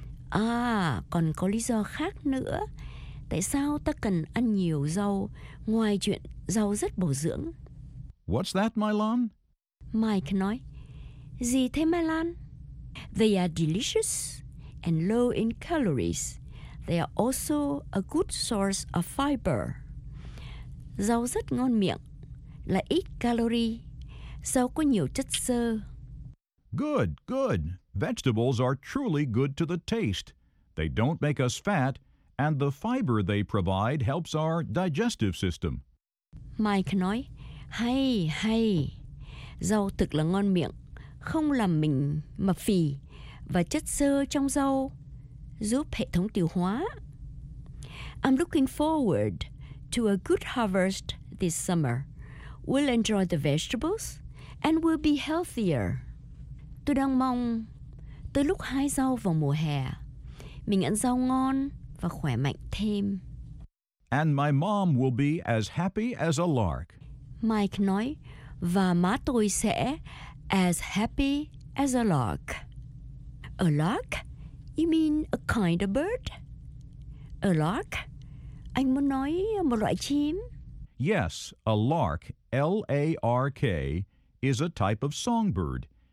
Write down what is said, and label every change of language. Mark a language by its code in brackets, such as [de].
[vi] À, còn có lý do khác nữa. Tại sao ta cần ăn nhiều rau ngoài chuyện rau rất bổ dưỡng? [en] What's that, Mylan? [vi] Mike nói, gì thế, Mylan? [en] They are delicious and low in calories. They are also a good source of fiber. [vi] Rau rất ngon miệng, là ít calorie. Rau có nhiều chất xơ. [en] Good, good. Vegetables are truly good to the taste. They don't make us fat, and the fiber they provide helps our digestive system. [vi] Mike nói, Hay, hay. Rau thực là ngon miệng, không làm mình mập phì, và chất xơ trong rau giúp hệ thống tiêu hóa. [en] I'm looking forward to a good harvest this summer. We'll enjoy the vegetables and we'll be healthier. [vi] Tôi đang mong tới lúc hái rau vào mùa hè, mình ăn rau ngon và khỏe mạnh thêm. [en] And my mom will be as happy as a lark. [vi] Mike nói, và má tôi sẽ [en] as happy as a lark. A lark? You mean a kind of bird? A lark? [vi] Anh muốn nói một loại chim? [en] Yes, a lark, L-A-R-K, is a type of songbird.